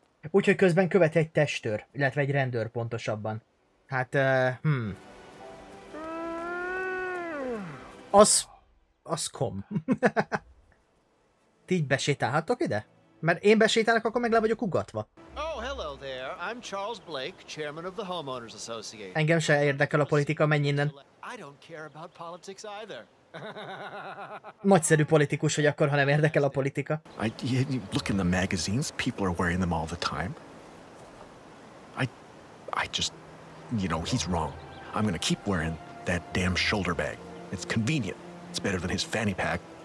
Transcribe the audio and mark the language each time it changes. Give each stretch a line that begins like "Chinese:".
Hungarian: Úgyhogy közben követ egy testőr, illetve egy rendőr pontosabban. Hát, Az kom. Ti így besétálhattok ide? Mert én besétálok, akkor meg le vagyok ugatva.
English: Oh, hello there. I'm Charles Blake, chairman of the Homeowners Association.
Hungarian: Engem se érdekel a politika, menj innen.
English: I don't care about politics either.
Hungarian: Nagyszerű politikus vagy akkor, ha nem érdekel a politika.
English: Look in the magazines, people are wearing them all the time. I just, you know, he's wrong. I'm gonna keep wearing that damn shoulder bag. It's convenient. It's better than his fanny pack.